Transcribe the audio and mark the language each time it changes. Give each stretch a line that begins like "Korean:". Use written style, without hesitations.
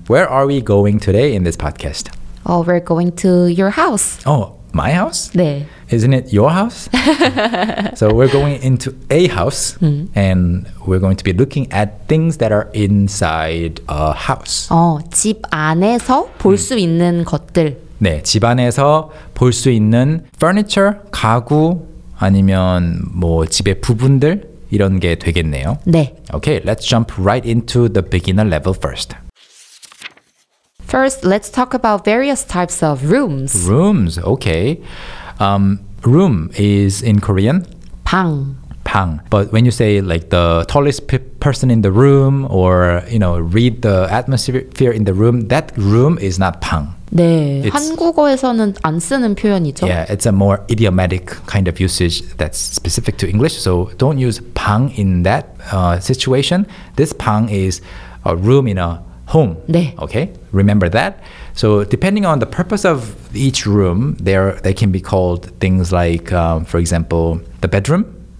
English: Where are we going today in this podcast? Oh, we're going to your house. Oh, my house?
Korean: 네.
English: Isn't it your house? So we're going into a house and we're going to be looking at things that are inside a house.
Korean: 집 안에서 볼 수 있는 것들. 네, 집 안에서 볼 수 있는 furniture, 가구, 아니면 뭐 집의 부분들 이런 게 되겠네요. 네.
English: Okay, let's jump right into the beginner level first. First, let's talk about various types of rooms. Rooms, okay. Room is in Korean.
Korean: 방. 방.
English: But when you say like the tallest person in the room or, you know, read the atmosphere in the room, that room is not 방.
Korean: 네, it's, 한국어에서는 안 쓰는 표현이죠.
English: Yeah, it's a more idiomatic kind of usage that's specific to English. So don't use 방 in that situation. This 방 is a room in a home. 네. Okay, remember that. So depending on the purpose of each room, they can be called things like, for example, the bedroom.